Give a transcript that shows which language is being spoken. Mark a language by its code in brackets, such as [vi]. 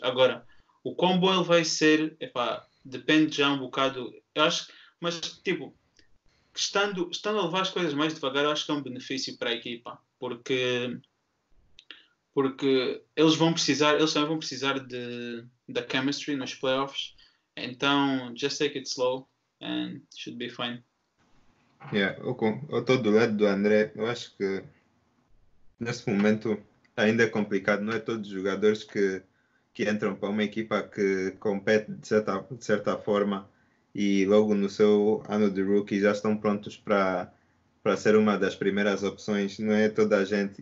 [pt] Agora, o quão bom ele vai ser, epá, depende já um bocado. Eu acho que, mas, tipo, estando a levar as coisas mais devagar, eu acho que é um benefício para a equipa. Porque eles vão precisar, eles também vão precisar da chemistry nos playoffs. Então, [en] just take it slow and should be fine. [pt] Yeah, eu estou do lado do André. Eu acho que, nesse momento, ainda é complicado. Não é todos os jogadores que entram para uma equipa que compete de certa forma e logo no seu ano de rookie já estão prontos para ser uma das primeiras opções, não é toda a gente.